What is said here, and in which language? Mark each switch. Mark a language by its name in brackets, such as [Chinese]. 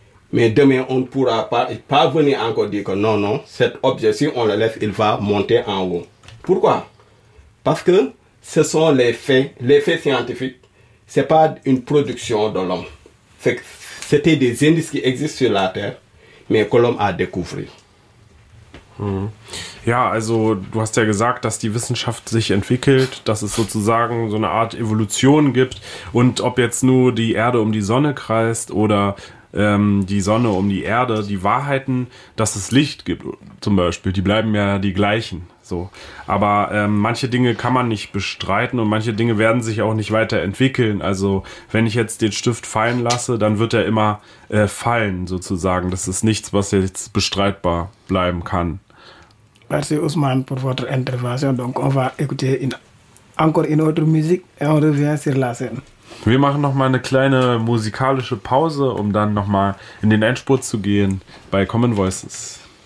[French] Mais demain, on ne pourra pas venir encore dire que non, cet objet, si on le lève, il va monter en haut. Pourquoi? Parce que ce sont les faits scientifiques, ce n'est pas une production de l'homme. C'était des indices qui existent sur la terre, mais que l'homme a découvert. [German] Ja, also du hast ja gesagt, dass die Wissenschaft sich entwickelt, dass es sozusagen so eine Art Evolution gibt und ob jetzt nur die Erde um die Sonne kreist oder die Sonne um die Erde, die Wahrheiten, dass es Licht gibt zum Beispiel, die bleiben ja die gleichen. So. Aber manche Dinge kann man nicht bestreiten und manche Dinge werden sich auch nicht weiterentwickeln. Also wenn ich jetzt den Stift fallen lasse, dann wird er immer fallen sozusagen. Das ist nichts, was jetzt bestreitbar bleiben kann. [French] Merci Ousmane pour votre intervention. Donc on va écouter encore une autre musique et on revient sur la scène. [German] Wir machen nochmal eine kleine musikalische Pause, um dann nochmal in den Endspurt zu gehen bei Common Voices.